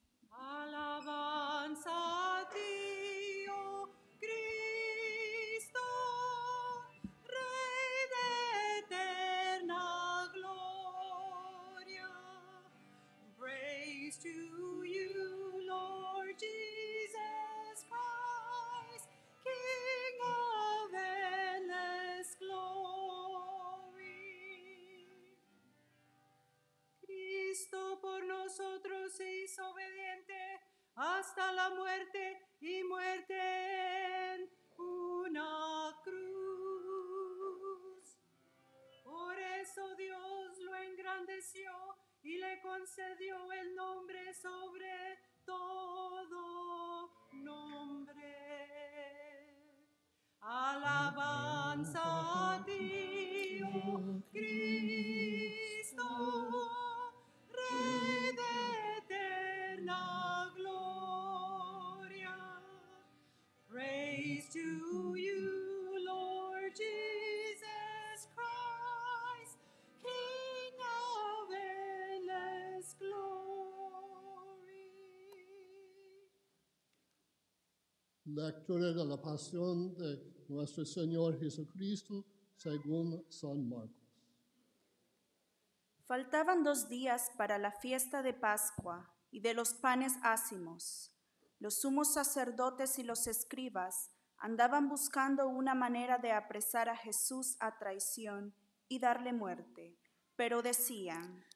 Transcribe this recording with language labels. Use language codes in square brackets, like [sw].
[es] Alabanza a ti, oh Cristo, Rey de eterna gloria. [en] Praise to you, Lord Jesus Christ, King of endless glory. [es] Cristo por nosotros se hizo obediente hasta la muerte, y muerte en una cruz. Por eso Dios lo engrandeció y le concedió el nombre sobre todo nombre. Alabanza a ti, oh Cristo, Rey de eterna gloria. [en] Praise to you, Lord Jesus Christ, King of endless glory. [es] Lectura de la Pasión de Nuestro Señor Jesucristo según San Marcos. Faltaban 2 días para la fiesta de Pascua y de los panes ázimos. Los sumos sacerdotes y los escribas andaban buscando una manera de apresar a Jesús a traición y darle muerte, pero decían: